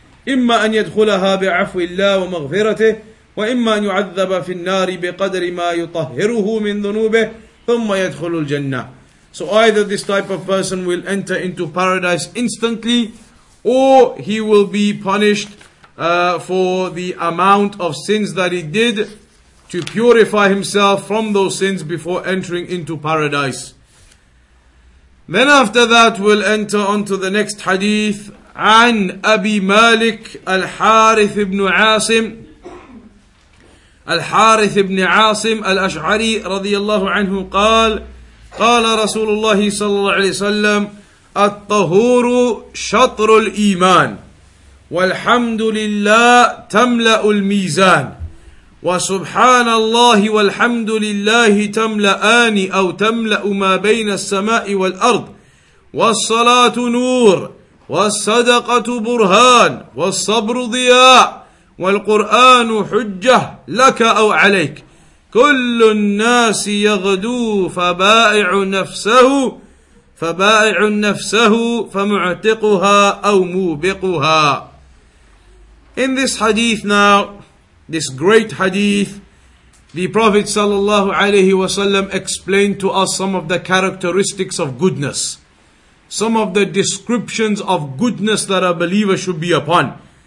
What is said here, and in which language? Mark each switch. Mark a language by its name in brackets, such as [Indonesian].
[Arabic] إِمَّا أَنْ يَدْخُلَهَا بِعَفْوِ اللَّهِ وَمَغْفِرَتِهِ وَإِمَّا أَنْ يُعَذَّبَ فِي النَّارِ بِقَدْرِ مَا يُطَهِّرُهُ مِنْ ذُنُوبِهِ ثُمَّ يَدْخُلُ الْجَنَّةِ. [English] So either this type of person will enter into paradise instantly, or he will be punished for the amount of sins that he did to purify himself from those sins before entering into paradise. Then after that, we'll enter onto the next hadith. [Arabic] عَنْ أَبِي مَالِكَ الْحَارِثِ بْنُ عَاصِمٍ الحارث بن عاصم الأشعري رضي الله عنه قال قال رسول الله صلى الله عليه وسلم الطهور شطر الإيمان والحمد لله تملأ الميزان وسبحان الله والحمد لله تملأان أو تملأ ما بين السماء والأرض والصلاة نور والصدقة برهان والصبر ضياء والقرآن حجة لك أو عليك كل الناس يغدو فبائع نفسه فمعتقها أو موبقها. [English] In this hadith now, this great hadith, the Prophet sallallahu alayhi wa sallam explained to us some of the characteristics of goodness, some of the descriptions of goodness that a believer should be upon.